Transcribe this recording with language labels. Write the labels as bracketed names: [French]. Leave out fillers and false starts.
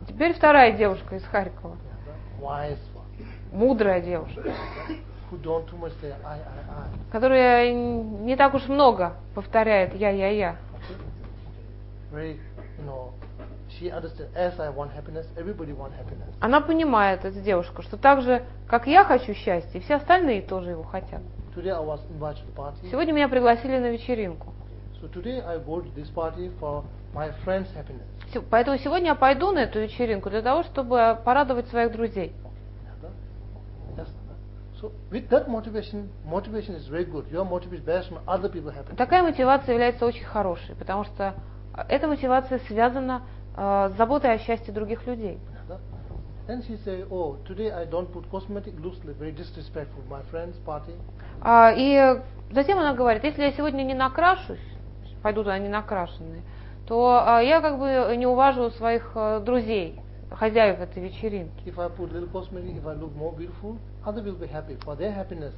[Russian] Теперь вторая девушка из Харькова. [English] Wise one. [Russian] Мудрая девушка. [English] Who don't too much say I, I, I. [Russian] Которая не так уж много повторяет я, я, я. [English] Very, you know, she understands as I want happiness, everybody wants happiness. [Russian] Она понимает, эта девушка, что так же, как я хочу счастья, все остальные тоже его хотят. [English] Today I was invited to party. [Russian] Сегодня меня пригласили на вечеринку. [English] So today I go to this party for my friend's happiness. [Russian] Поэтому сегодня я пойду на эту вечеринку для того, чтобы порадовать своих друзей. [English] So with that motivation is very good. Your motivation is based on other people's happiness. [Russian] Такая мотивация является очень хорошей, потому что эта мотивация связана с заботой о счастье других людей. [English] Then she say, oh, today I don't put cosmetic, looks very disrespectful my friend's party. [Russian] И затем она говорит, если я сегодня не накрашусь, пойду туда не накрашенные, то я как бы не уважу своих друзей, хозяев этой вечеринки. [English] If I put little cosmetic, if I look more beautiful, others will be happy for their happiness.